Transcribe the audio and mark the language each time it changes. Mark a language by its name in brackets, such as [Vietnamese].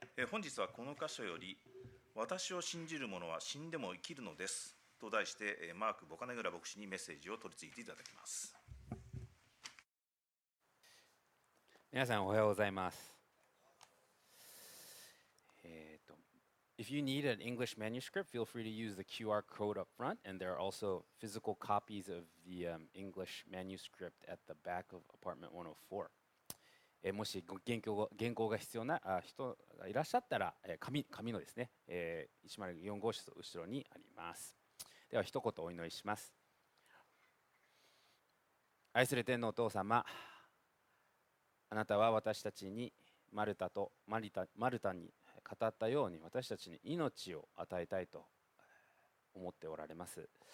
[Japanese] 本日はこの箇所より、私を信じる者は死んでも生きるのですと題して、マーク・ボカネグラ牧師にメッセージを取り付いていただきます。皆さんおはようございます。 [English] If you need an English manuscript, feel free to use the QR code up front, and there are also physical copies of the English manuscript at the back of apartment 104. [Japanese] もし原稿が必要な人がいらっしゃったら、紙のですね、104号室の後ろにあります。では一言お祈りします。愛する天のお父様、あなたは私たちにマルタに語ったように、私たちに命を与えたいと思っておられます。